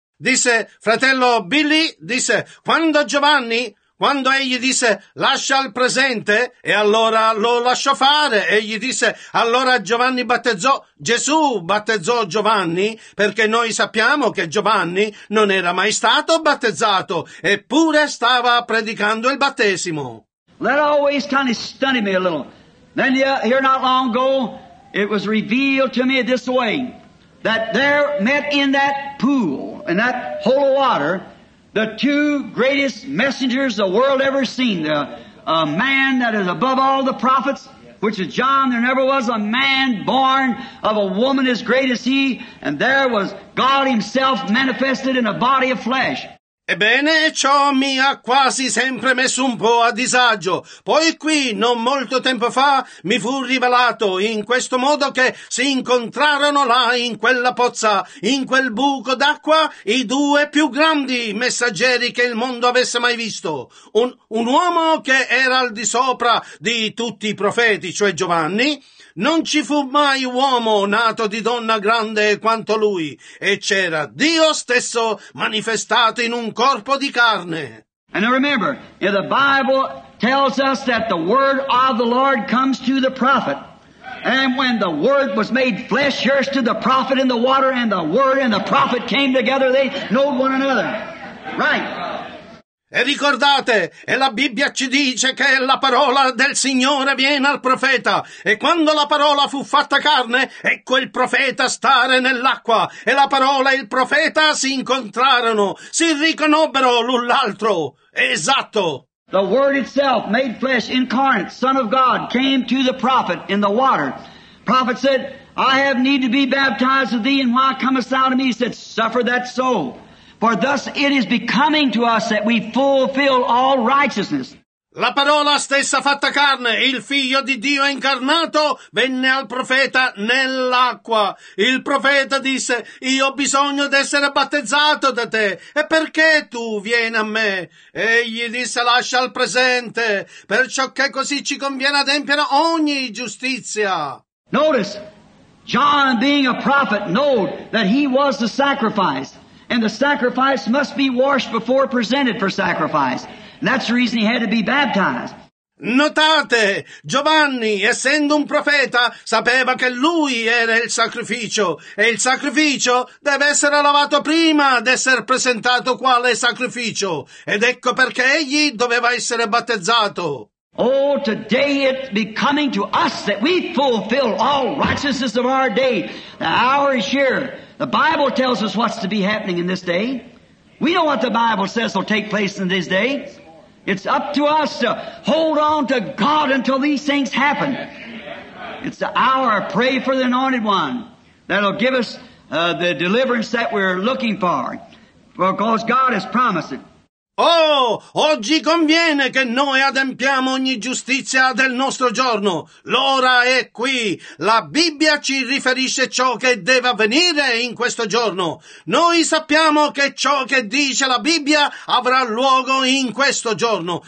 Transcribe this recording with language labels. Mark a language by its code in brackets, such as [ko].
[it] Disse, fratello Billy, disse, quando egli disse, lascia il presente, e allora lo lasciò fare, egli disse, allora Giovanni battezzò, Gesù battezzò Giovanni, perché noi sappiamo che Giovanni non era mai stato battezzato, eppure stava predicando il battesimo. [en] That always kind of stunned me a little. Then here not long ago, it was revealed to me this way, that there met in that pool, in that hole of water, the two greatest messengers the world ever seen. A man that is above all the prophets, which is John. There never was a man born of a woman as great as he, and there was God himself manifested in a body of flesh. [it] Ebbene, ciò mi ha quasi sempre messo un po' a disagio. Poi qui, non molto tempo fa, mi fu rivelato in questo modo che si incontrarono là in quella pozza, in quel buco d'acqua, i due più grandi messaggeri che il mondo avesse mai visto. Un uomo che era al di sopra di tutti i profeti, cioè Giovanni. Non ci fu mai uomo nato di donna grande quanto lui, e c'era Dio stesso manifestato in un corpo di carne. [en] And remember, the Bible tells us that the word of the Lord comes to the prophet. And when the word was made flesh, here stood the prophet in the water, and the word and the prophet came together, they know one another. Right. [it] E ricordate, e la Bibbia ci dice che la parola del Signore viene al profeta, e quando la parola fu fatta carne, ecco il profeta stare nell'acqua, e la parola e il profeta si incontrarono, si riconobbero l'un l'altro. Esatto. [en] The word itself, made flesh, incarnate, son of God, came to the prophet in the water. The prophet said, I have need to be baptized of thee, and why comest thou to me? He said, suffer that soul. For thus it is becoming to us that we fulfill all righteousness. [it] La parola stessa fatta carne, il figlio di Dio incarnato, venne al profeta nell'acqua. Il profeta disse, io ho bisogno d'essere battezzato da te, e perché tu vieni a me? Egli disse, lascia il presente, perciò che così ci conviene adempiere ogni giustizia. [en] Notice, John being a prophet, knew that he was the sacrifice. And the sacrifice must be washed before presented for sacrifice. And that's the reason he had to be baptized. [it] Notate, Giovanni, essendo un profeta, sapeva che lui era il sacrificio, e il sacrificio deve essere lavato prima di essere presentato quale sacrificio, ed ecco perché egli doveva essere battezzato. [en] Oh, today it's becoming to us that we fulfill all righteousness of our day. The hour is here. The Bible tells us what's to be happening in this day. We know what the Bible says will take place in this day. It's up to us to hold on to God until these things happen. It's the hour of pray for the anointed one that'll give us the deliverance that we're looking for, because God has promised it. [it] Oh, oggi conviene che noi adempiamo ogni giustizia del nostro giorno. L'ora è qui. La Bibbia ci riferisce ciò che deve avvenire in questo giorno. Noi sappiamo che ciò che dice la Bibbia avrà luogo in questo giorno.